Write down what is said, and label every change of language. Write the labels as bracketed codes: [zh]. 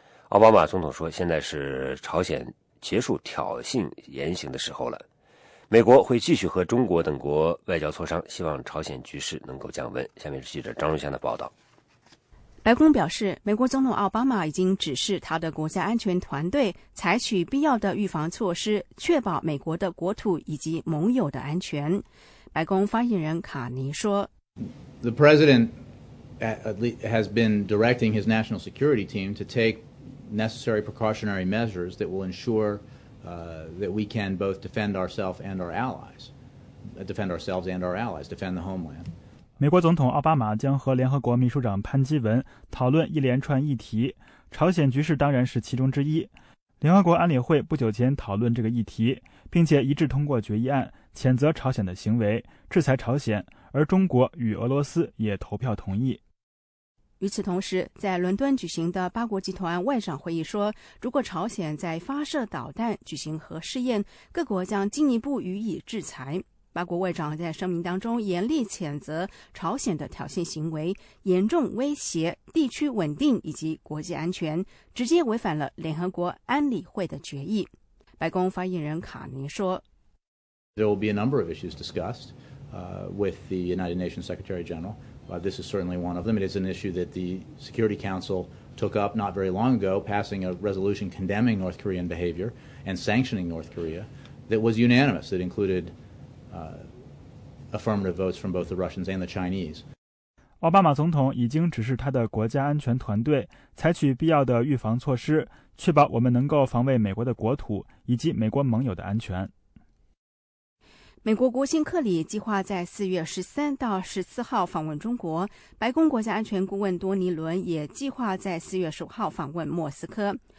[zh] 奥巴马总统说，现在是朝鲜结束挑衅言行的时候了，美国会继续和中国等国外交磋商，希望朝鲜局势能够降温。下面是记者张荣祥的报道。白宫表示，美国总统奥巴马已经指示他的国家安全团队采取必要的预防措施，确保美国的国土以及盟友的安全。白宫发言人卡尼说， [en] The president has been directing his national security team to takeNecessary precautionary measures that will ensure that we can both defend ourselves and our allies, defend the homeland. [zh] 美国总统奥巴马将和联合国秘书长潘基文讨论一连串议题，朝鲜局势当然是其中之一。联合国安理会不久前讨论这个议题，并且一致通过决议案谴责朝鲜的行为，制裁朝鲜，而中国与俄罗斯也投票同意。与此同时，在伦敦举行的八国集团外长会议说，如果朝鲜在发射导弹、举行核试验，各国将进一步予以制裁。八国外长在声明当中严厉谴责朝鲜的挑衅行为，严重威胁地区稳定以及国际安全，直接违反了联合国安理会的决议。白宫发言人卡尼说， [en] There will be a number of issues discussed with the United Nations Secretary General. This is certainly one of them. It is an issue that the Security Council took up not very long ago, passing a resolution condemning North Korean behavior and sanctioning North Korea that was unanimous, that included affirmative votes from both the Russians and the Chinese. [zh] 奥巴马总统已经指示他的国家安全团队采取必要的预防措施，确保我们能够防卫美国的国土以及美国盟友的安全。美国国新克里计划在4月13-14号访问中国，白宫国家安全顾问多尼伦也计划在4月15号访问莫斯科。